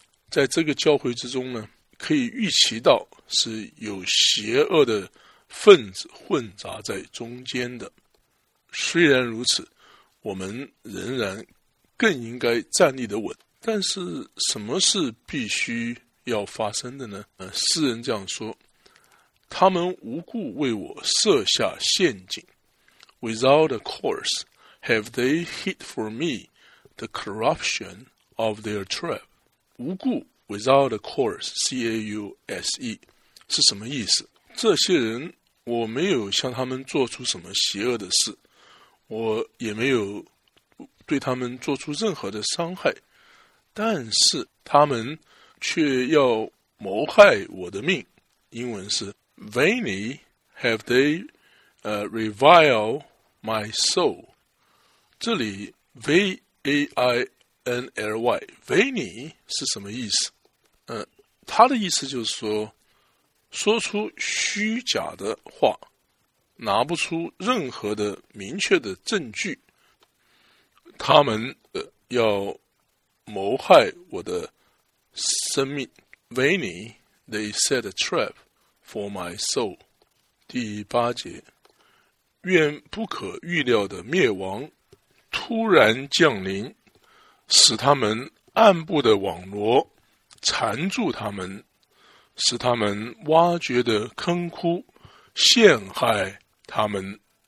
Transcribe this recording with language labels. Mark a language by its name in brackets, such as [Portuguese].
[Chinese] 在这个教会之中呢，可以预期到是有邪恶的分子混杂在中间的。虽然如此，我们仍然更应该站立得稳。但是什么是必须要发生的呢？诗人这样说，他们无故为我设下陷阱。 [English] Without a cause have they hid for me the corruption of their trap. [Chinese] 无故 [English] without a cause, [Chinese] C-A-U-S-E 是什么意思？这些人，我没有向他们做出什么邪恶的事，我也没有对他们做出任何的伤害，但是他们却要谋害我的命。 [English] 英文是 Vainly have they reviled my soul. [Chinese] 这里 V-A-I-N-L-Y Vainly 是什么意思？他的意思就是说，说出虚假的话，拿不出任何的明确的证据，他们要谋害我的生命。 [English] Vainly they set a trap for my soul. [Chinese] 第八节，愿不可预料的灭亡突然降临，使他们暗部的网罗缠住他们，使他们挖掘的坑窟陷害他们。